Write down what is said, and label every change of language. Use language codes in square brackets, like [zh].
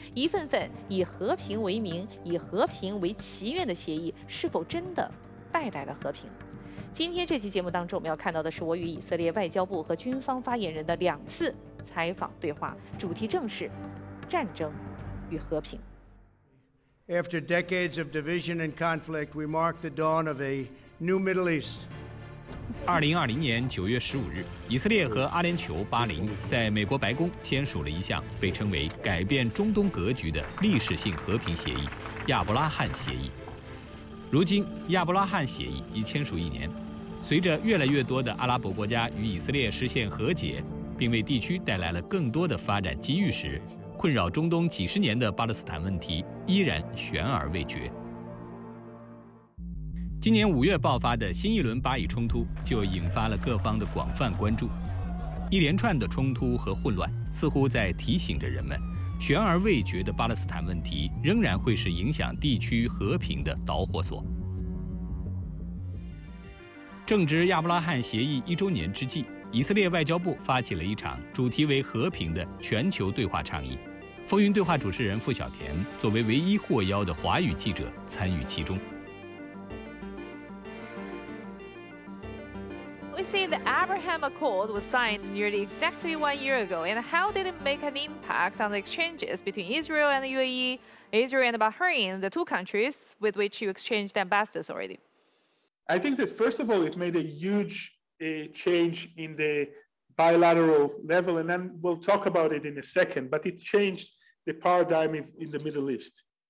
[zh] 一份份以和平为名、以和平为祈愿的协议是否真的带来了和平？今天这期节目当中我们要看到的是我与以色列外交部和军方发言人的两次采访对话，主题正是战争与和平。 [en] After decades of division and conflict, we mark the dawn of a new Middle East. [zh] 2020年9月15日，以色列和阿联酋、巴林在美国白宫签署了一项被称为改变中东格局的历史性和平协议——亚伯拉罕协议。如今，亚伯拉罕协议已签署一年，随着越来越多的阿拉伯国家与以色列实现和解，并为地区带来了更多的发展机遇时，困扰中东几十年的巴勒斯坦问题依然悬而未决。今年5月爆发的新一轮巴以冲突就引发了各方的广泛关注，一连串的冲突和混乱似乎在提醒着人们，悬而未决的巴勒斯坦问题仍然会是影响地区和平的导火索。正值亚伯拉罕协议1周年之际，以色列外交部发起了一场主题为和平的全球对话倡议。风云对话主持人傅小田作为唯一获邀的华语记者参与其中。 [en] We see the Abraham Accord was signed nearly exactly 1 year ago, and how did it make an impact on the exchanges between Israel and the UAE, Israel and Bahrain, the two countries with which you exchanged ambassadors already? I think that first of all, it made a huge change in the bilateral level, and then we'll talk about it in a second, but it changed the paradigm in the Middle East.